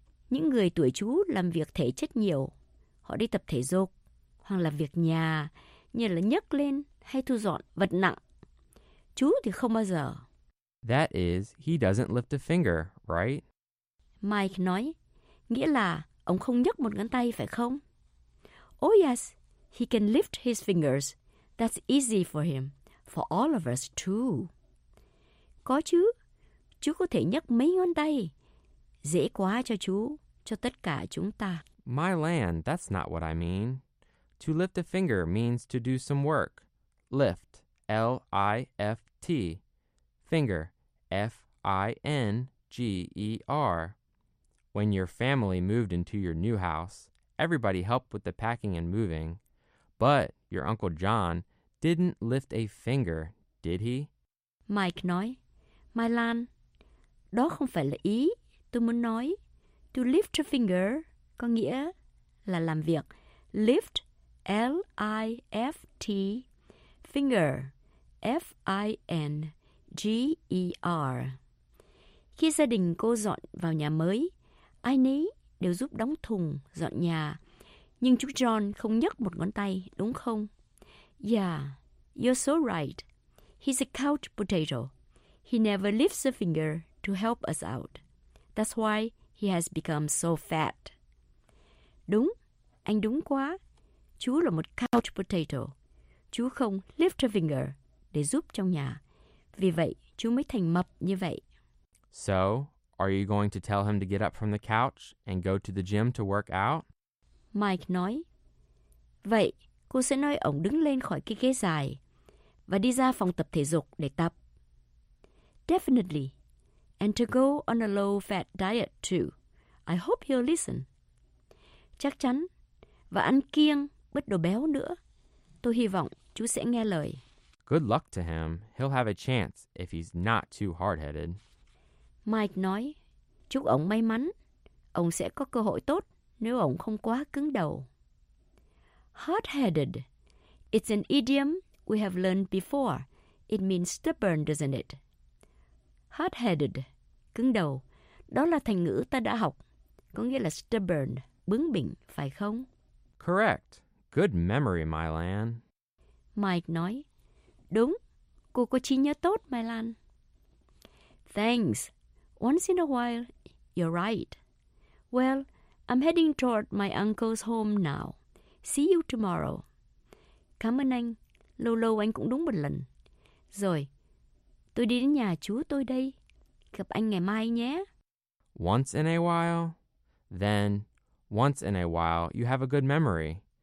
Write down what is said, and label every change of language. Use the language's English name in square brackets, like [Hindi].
[Vietnamese] Những người tuổi chú làm việc thể chất nhiều. Họ đi tập thể dục, hoặc làm việc nhà, như là nhấc lên hay thu dọn vật nặng. Chú thì không bao giờ. [English] That is, he doesn't lift a finger, right? [Vietnamese] Mike nói, nghĩa là ông không nhấc một ngón tay, phải không? [English] Oh yes, he can lift his fingers. That's easy for him, for all of us too. [Vietnamese] Có chứ, chú có thể nhấc mấy ngón tay. Dễ quá cho chú, cho tất cả chúng ta. [English] My land, that's not what I mean. To lift a finger means to do some work. Lift, L-I-F-T. Finger, F-I-N-G-E-R. When your family moved into your new house, everybody helped with the packing and moving. But your Uncle John didn't lift a finger, did he? [Vietnamese] Mike nói, My land, đó không phải là ý tôi muốn nói. To lift a finger có nghĩa là làm việc. [English] Lift, L-I-F-T, finger, F-I-N-G-E-R. [Vietnamese] Khi gia đình cô dọn vào nhà mới, ai nấy đều giúp đóng thùng, dọn nhà. Nhưng chú John không nhấc một ngón tay, đúng không? [English] Yeah, you're so right. He's a couch potato. He never lifts a finger to help us out. That's why he has become so fat. [Vietnamese] Đúng, anh đúng quá. Chú là một couch potato. Chú không lift a finger để giúp trong nhà. Vì vậy, chú mới thành mập như vậy. [English] So, are you going to tell him to get up from the couch and go to the gym to work out? [Vietnamese] Mike nói. Vậy, cô sẽ nói ông đứng lên khỏi cái ghế dài và đi ra phòng tập thể dục để tập. [English] Definitely. And to go on a low-fat diet too. I hope he'll listen. [Vietnamese] Chắc chắn. Và ăn kiêng, bớt đồ béo nữa. Tôi hy vọng chú sẽ nghe lời. [English] Good luck to him. He'll have a chance if he's not too hard-headed. [Vietnamese] Mike nói, chúc ông may mắn. Ông sẽ có cơ hội tốt nếu ông không quá cứng đầu. [English] Hard-headed. It's an idiom we have learned before. It means stubborn, doesn't it? Hard-headed, [Vietnamese] cứng đầu. Đó là thành ngữ ta đã học. Có nghĩa là stubborn, bướng bỉnh, phải không? [English] Correct. Good memory, Mylan. [Vietnamese] Mike nói, đúng, cô có trí nhớ tốt, Mylan. [English] Thanks. Once in a while, you're right. Well, I'm heading toward my uncle's home now. See you tomorrow. [Vietnamese] Cảm ơn anh. Lâu lâu anh cũng đúng một lần. Rồi, tôi đi đến nhà chú tôi đây. Gặp anh ngày mai nhé. [English] Once in a while? Then, once in a while, you have a good memory.